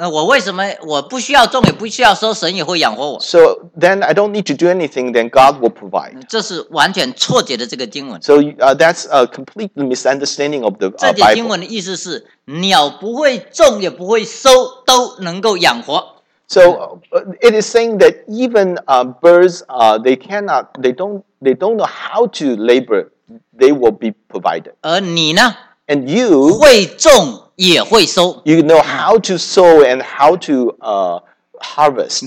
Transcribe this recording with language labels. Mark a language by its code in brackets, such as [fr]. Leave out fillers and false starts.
[zh] 我为什么我不需要种也不需要收，神也会养活我。 [en] So then I don't need to do anything, then God will provide. [zh] 这是完全错解的这个经文。 [en] So that's a complete misunderstanding of the Bible. [zh] 这节经文的意思是鸟不会种也不会收都能够养活。 [en] So it is saying that even birds, they don't know how to labor, they will be provided. [zh] 而你呢？ [en] And you, [zh] 会种也会收。 [en] You know how to sow and how to harvest.